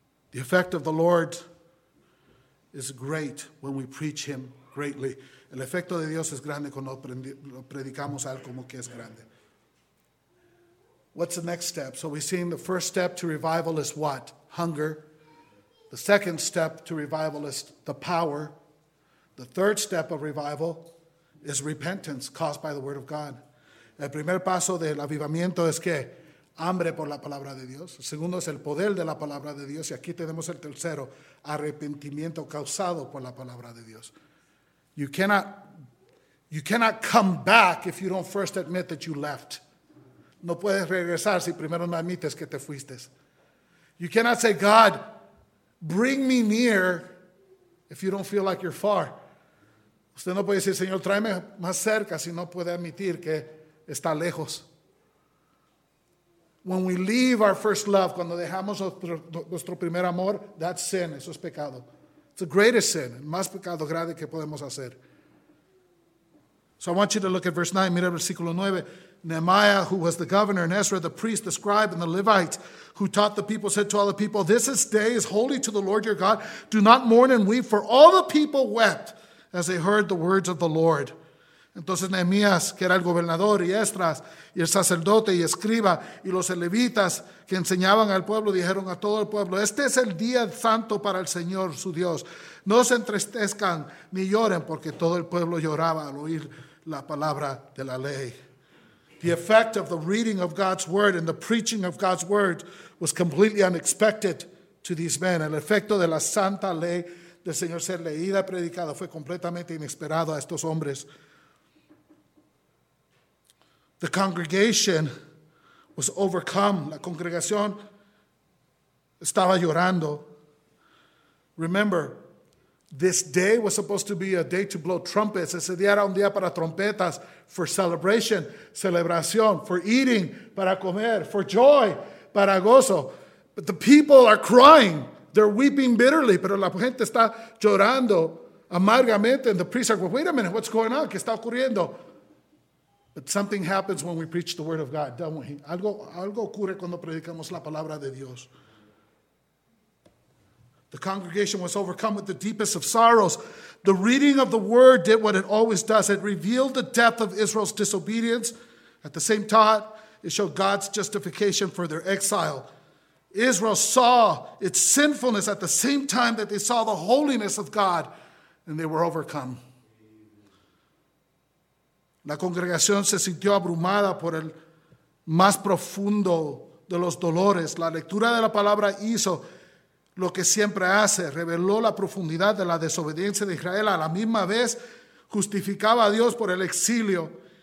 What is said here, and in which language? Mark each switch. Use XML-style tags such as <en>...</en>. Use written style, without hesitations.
<en>The effect of the Lord is great when we preach him greatly.</en> <es>El efecto de Dios es grande cuando lo predicamos a él como que es grande.</es> <en>What's the next step? So we've seen the first step to revival is what? Hunger. The second step to revival is the power. The third step of revival is repentance caused by the word of God.</en> <es>El primer paso del avivamiento es que hambre por la palabra de Dios. El segundo es el poder de la palabra de Dios. Y aquí tenemos el tercero, arrepentimiento causado por la palabra de Dios.</es> <en>You cannot come back if you don't first admit that you left.</en> <es>No puedes regresar si primero no admites que te fuiste.</es> <en>You cannot say, God, bring me near if you don't feel like you're far.</en> <es>Usted no puede decir, Señor, tráeme más cerca si no puede admitir que está lejos.</es> <en>When we leave our first love,</en> <es>cuando dejamos nuestro primer amor,</es> <en>that's sin,</en> <es>eso es pecado.</es> <en>It's the greatest sin,</en> <es>el más pecado grande que podemos hacer.</es> <en>So I want you to look at verse 9,</en> <es>mira el versículo 9.</es> <en>Nehemiah, who was the governor, and Ezra, the priest, the scribe, and the Levites, who taught the people, said to all the people, this day is holy to the Lord your God. Do not mourn and weep, for all the people wept as they heard the words of the Lord.</en> <es>Entonces Nehemías, que era el gobernador, y Esdras, y el sacerdote, y escriba, y los levitas que enseñaban al pueblo, dijeron a todo el pueblo, este es el día santo para el Señor, su Dios. No se entristezcan ni lloren, porque todo el pueblo lloraba al oír la palabra de la ley.</es> <en>The effect of the reading of God's word and the preaching of God's word was completely unexpected to these men.</en> <es>El efecto de la santa ley del Señor ser leída y predicada fue completamente inesperado a estos hombres.</es> <en>The congregation was overcome.</en> <es>La congregación estaba llorando.</es> <en>Remember, this day was supposed to be a day to blow trumpets.</en> <es>Ese día era un día para trompetas,</es> <en>for celebration,</en> <es>celebración,</es> <en>for eating,</en> <es>para comer,</es> <en>for joy,</en> <es>para gozo.</es> <en>But the people are crying. They're weeping bitterly,</en> <es>pero la gente está llorando amargamente.</es> <en>And the priests are going, wait a minute, what's going on?</en> <es>¿Qué está ocurriendo?</es> <en>But something happens when we preach the word of God, don't we?</en> <es>Algo ocurre cuando predicamos la palabra de Dios.</es> <en>The congregation was overcome with the deepest of sorrows. The reading of the word did what it always does. It revealed the depth of Israel's disobedience. At the same time, it showed God's justification for their exile. Israel saw its sinfulness at the same time that they saw the holiness of God, and they were overcome.</en> <es>La congregación se sintió abrumada por el más profundo de los dolores. La lectura de la palabra hizo lo que siempre hace, reveló la profundidad de la desobediencia de Israel. A la misma vez, justificaba a Dios por el exilio.</es>